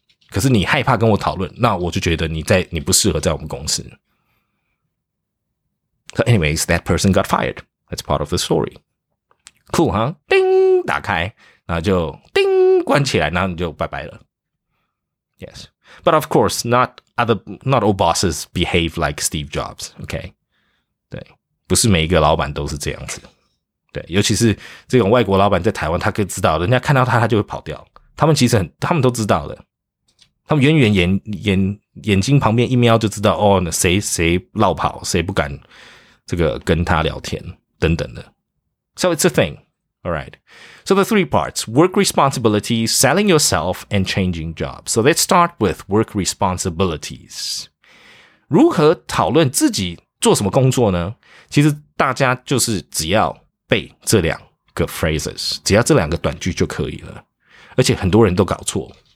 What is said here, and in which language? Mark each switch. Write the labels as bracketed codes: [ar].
[zh] 可是你害怕跟我讨论，那我就觉得你不适合在我们公司。 [en] So anyways, that person got fired. That's part of the story. Cool, huh? [zh] 叮，打开，然后就叮，关起来，然后你就拜拜了。 [en] Yes. But of course, not all bosses behave like Steve Jobs, okay? [zh] 对，不是每一个老板都是这样子。对，尤其是这种外国老板在台湾，他可以知道，人家看到他就会跑掉。他们都知道的，他们远远眼睛旁边一瞄就知道，哦，谁落跑，谁不敢这个跟他聊天等等的。 [en] So it's a thing, all right. So the three parts: work responsibilities, selling yourself, and changing jobs. So let's start with work responsibilities. [zh] 如何讨论自己做什么工作呢？其实大家就是只要背这两个 phrases， 只要这两个短句就可以了，而且很多人都搞错。